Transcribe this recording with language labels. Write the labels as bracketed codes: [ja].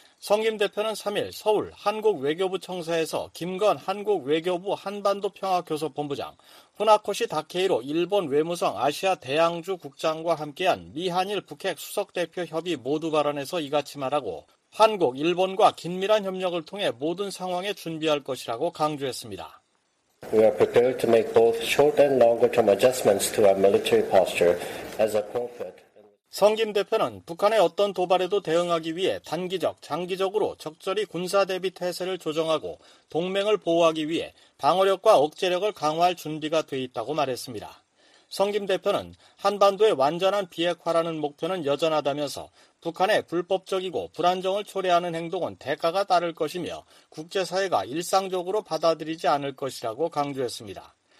[ko] 성김 대표는 3일 서울 한국외교부 청사에서 김건 한국외교부 한반도평화교섭본부장, 후나코시 다케이로 일본 외무성 아시아 대양주 국장과 함께한 미한일 북핵 수석대표 협의 모두 발언에서 이같이 말하고 한국, 일본과 긴밀한 협력을 통해 모든 상황에 준비할 것이라고 강조했습니다. [en] We are prepared to make both short and longer-term adjustments to our military posture as appropriate. [ko] 성김 대표는 북한의 어떤 도발에도 대응하기 위해 단기적, 장기적으로 적절히 군사 대비 태세를 조정하고 동맹을 보호하기 위해 방어력과 억제력을 강화할 준비가 돼 있다고 말했습니다. 성김 대표는 한반도의 완전한 비핵화라는 목표는 여전하다면서 북한의 불법적이고 불안정을 초래하는 행동은 대가가 따를 것이며 국제사회가 일상적으로 받아들이지 않을 것이라고 강조했습니다.